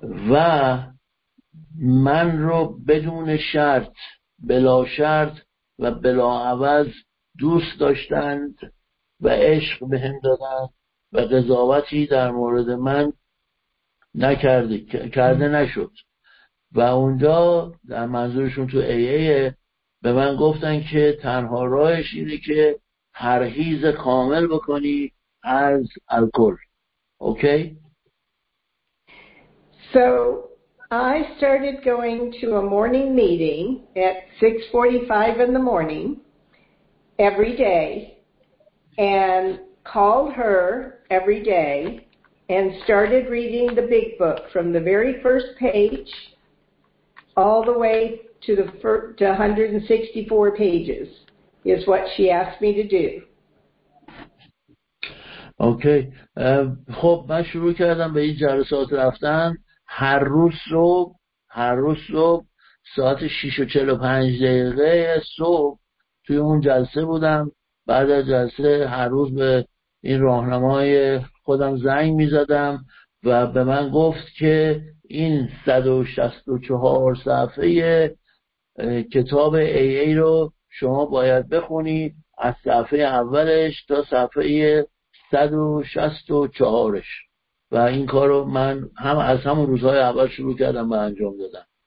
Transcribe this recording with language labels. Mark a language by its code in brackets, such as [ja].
[fa] و من رو بدون شرط، بلا شرط و بلا عوض دوست داشتند و عشق به هم دادند و قضاوتی در مورد من کرده نشد. و اونجا در منظورشون تو ایه به من گفتن که تنها راهش اینه که پرهیز کامل بکنی از الکل. اوکی؟ [en] So I started going to a morning meeting at 6:45 in the morning every day and called her every day and started reading the big book from the very first page all the way to the to 164 pages is what she asked me to do. Okay. [fa] خب من شروع کردم به این جلسات رفتن. هر روز صبح ساعت 6:45 دقیقه صبح توی اون جلسه بودم. بعد از جلسه هر روز به این راهنمای خودم زنگ می زدم و به من گفت که این 164 صفحه کتاب AA رو شما باید بخونی از صفحه اولش تا صفحه 164ش و این کار رو من هم از همون روزهای اول شروع کردم و انجام دادم.